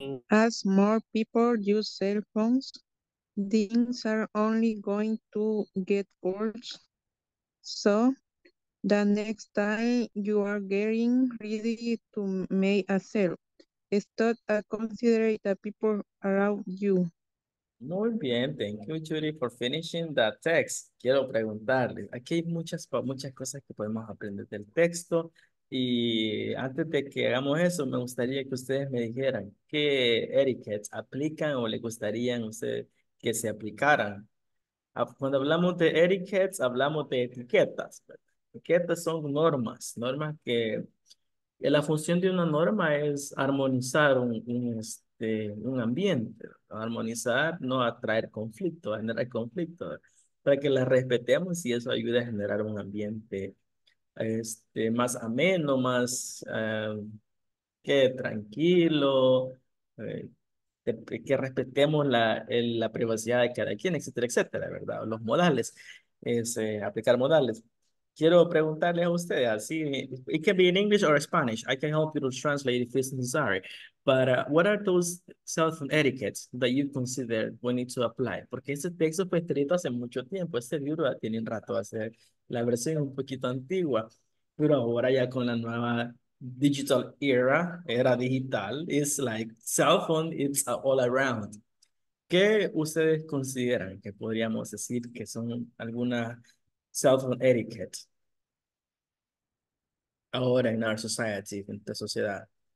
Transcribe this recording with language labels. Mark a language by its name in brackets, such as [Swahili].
[English] As more people use cell phones, things are only going to get worse. So the next time you are getting ready to make a sale, start considering the people around you. [Spanish] Muy bien, [English] thank you, Judy, for finishing the text. [Spanish] Quiero preguntarle, aquí hay muchas cosas que podemos aprender del texto. Y antes de que hagamos eso, me gustaría que ustedes me dijeran qué etiquettes aplican o le gustaría a ustedes que se aplicaran. Cuando hablamos de etiquettes, hablamos de etiquetas. Etiquetas son normas que la función de una norma es armonizar un ambiente, armonizar, no atraer conflicto, generar conflicto, para que las respetemos y eso ayuda a generar un ambiente más ameno, más que tranquilo, que respetemos la privacidad de cada quien, etcétera, etcétera, ¿verdad? Los modales, aplicar modales. Quiero preguntarles a ustedes, así, [English] it can be in English or Spanish, I can help you to translate if it's necessary, but what are those cell phone etiquettes that you consider we need to apply? [Spanish] Porque ese texto fue escrito hace mucho tiempo, este libro tiene un rato hace. La versión un poquito antigua, pero ahora ya con la nueva digital era digital, [English] it's like cell phone, it's all around. [Spanish] ¿Qué ustedes consideran que podríamos decir que son alguna cell phone etiquette ahora en [English] our society, [Spanish] en la sociedad?